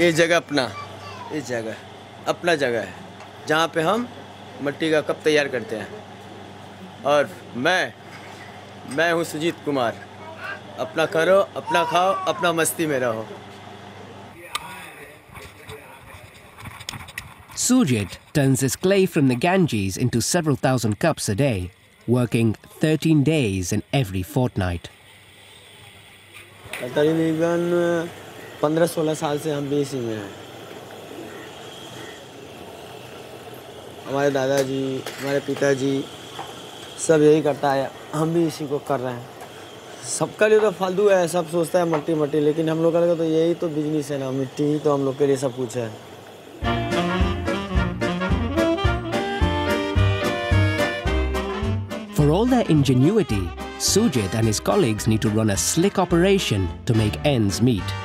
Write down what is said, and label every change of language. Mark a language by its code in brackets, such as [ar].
[hi] ये जगह अपना इस जगह अपना जगह है जहाँ पे हम मिट्टी का कप तैयार करते हैं और मैं हूँ सुजीत कुमार अपना करो अपना खाओ अपना मस्ती में रहो [en] Sujit turns his clay from the Ganges into several thousand cups a day, working 13 days in every fortnight. [hi] तकरीबन 15-16 साल से हम भी इसी में हैं। हमारे दादाजी, हमारे पिताजी सब यही करता है, हम भी इसी को कर रहे हैं। सबका लिए तो फालतू है, सब सोचता है मट्टी मट्टी, लेकिन हम लोग का तो यही तो बिजनेस है ना, मिट्टी ही तो हम लोग के लिए सब कुछ है। [en] For all their ingenuity, Sujit and his colleagues need to run a slick operation to make ends meet.